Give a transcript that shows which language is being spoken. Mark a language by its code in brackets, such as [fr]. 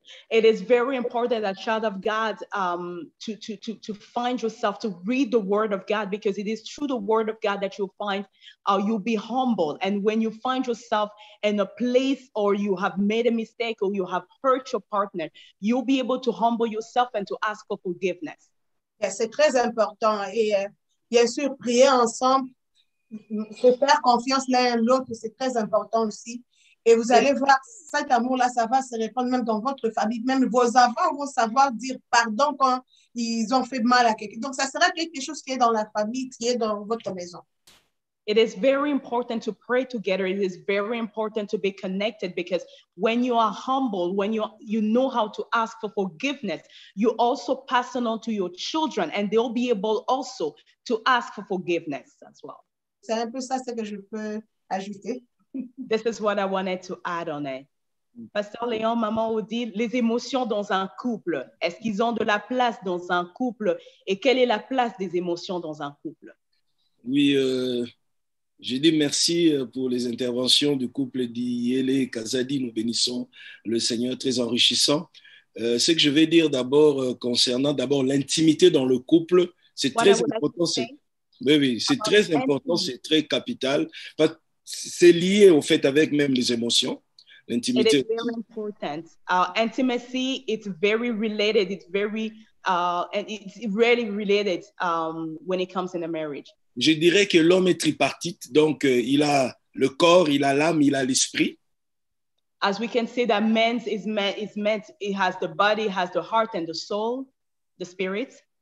[en] It is very important that child of God to find yourself to read the word of God, because it is through the word of God that you'll find you'll be humble. And when you find yourself in a place or you have made a mistake or you have hurt your partner, you'll be able to humble yourself and to ask for forgiveness. [fr] Yeah, c'est très important. Et bien sûr, prier ensemble, se faire confiance l'un l'autre, c'est très important aussi. Et vous allez voir, cet amour-là, ça va se répandre même dans votre famille. Même vos enfants vont savoir dire pardon quand ils ont fait mal à quelqu'un. Donc, ça sera quelque chose qui est dans la famille, qui est dans votre maison. [en] It is very important to pray together. It is very important to be connected, because when you are humble, when you know how to ask for forgiveness, you also pass it on to your children and they'll be able also to ask for forgiveness as well. [fr] C'est un peu ça, ce que je peux ajouter. [en] This is what I wanted to add on it. [fr] Pasteur Léon, maman Odile, les émotions dans un couple, est-ce qu'ils ont de la place dans un couple et quelle est la place des émotions dans un couple? Oui, j'ai dit merci pour les interventions du couple d'Yélé et Kazadi. Nous bénissons le Seigneur, très enrichissant. Ce que je vais dire d'abord concernant d'abord l'intimité dans le couple, c'est what très important. C'est très important, c'est très capital. C'est lié, en fait, avec même les émotions, l'intimité. [en] It is very important. Intimacy, it's very related. It's very And it's really related when it comes in a marriage. [fr] Je dirais que l'homme est tripartite, donc il a le corps, il a l'âme, il a l'esprit. [en] As we can say that man's is meant, it has the body, it has the heart and the soul, the spirit.